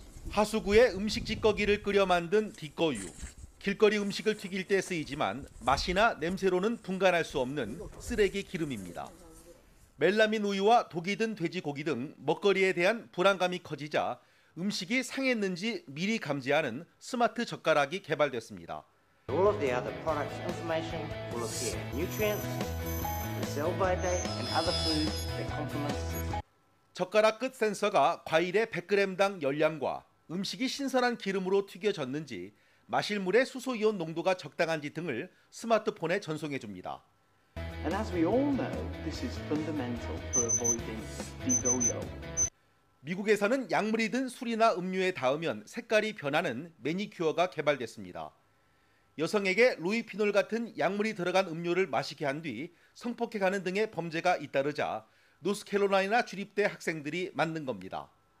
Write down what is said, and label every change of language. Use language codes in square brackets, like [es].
[ko] 하수구에 음식 찌꺼기를 끓여 만든 디꺼유. 길거리 음식을 튀길 때 쓰이지만 맛이나 냄새로는 분간할 수 없는 쓰레기 기름입니다. 멜라민 우유와 독이 든 돼지고기 등 먹거리에 대한 불안감이 커지자 음식이 상했는지 미리 감지하는 스마트 젓가락이 개발됐습니다. [en] All of the other products, information, will appear. Nutrients, sell by day, and other foods that complement. [ko] 젓가락 끝 센서가 과일의 100g당 열량과 음식이 신선한 기름으로 튀겨졌는지 마실 물의 수소 이온 농도가 적당한지 등을 스마트폰에 전송해 줍니다. [en] And as we all know, this is fundamental for avoiding DIGOYO. [ko] 미국에서는 약물이 든 술이나 음료에 닿으면 색깔이 변하는 매니큐어가 개발됐습니다. 여성에게 루이피놀 같은 약물이 들어간 음료를 마시게 한 뒤 성폭행하는 등의 범죄가 잇따르자 노스캐롤라이나 주립대 학생들이 만든 겁니다.